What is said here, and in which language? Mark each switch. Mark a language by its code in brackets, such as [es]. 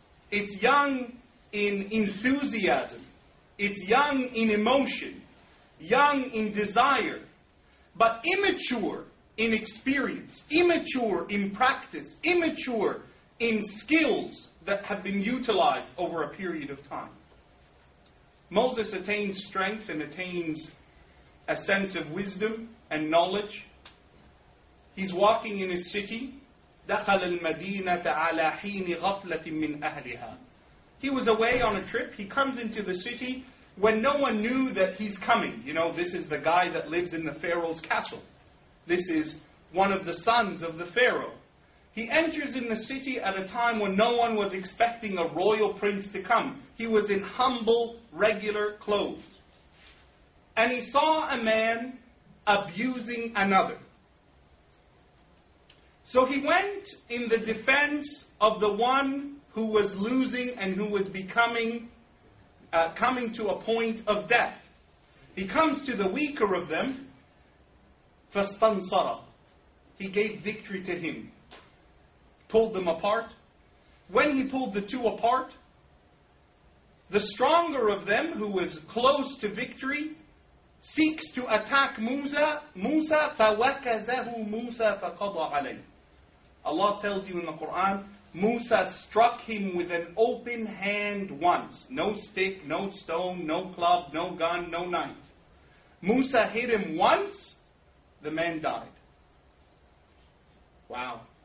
[en] It's young in enthusiasm. It's young in emotion, young in desire, but immature in experience, immature in practice, immature in skills that have been utilized over a period of time. Moses attains strength and attains a sense of wisdom and knowledge. He's walking in his city. [ar] دخل المدينة على حين غفلة من أهلها. [en] He was away on a trip. He comes into the city when no one knew that he's coming. You know, this is the guy that lives in the Pharaoh's castle. This is one of the sons of the Pharaoh. He enters in the city at a time when no one was expecting a royal prince to come. He was in humble, regular clothes. And he saw a man abusing another. So he went in the defense of the one who was losing and who was becoming coming to a point of death. He comes to the weaker of them, فَاسْتَنْصَرَ. He gave victory to him. Pulled them apart. When he pulled the two apart, the stronger of them, who was close to victory, seeks to attack Musa. [ar] Musa فَوَكَزَهُ Musa فَقَضَ عَلَيْهِ. [en] Allah tells you in the Quran, Musa struck him with an open hand once. No stick, no stone, no club, no gun, no knife. Musa hit him once, the man died. Wow.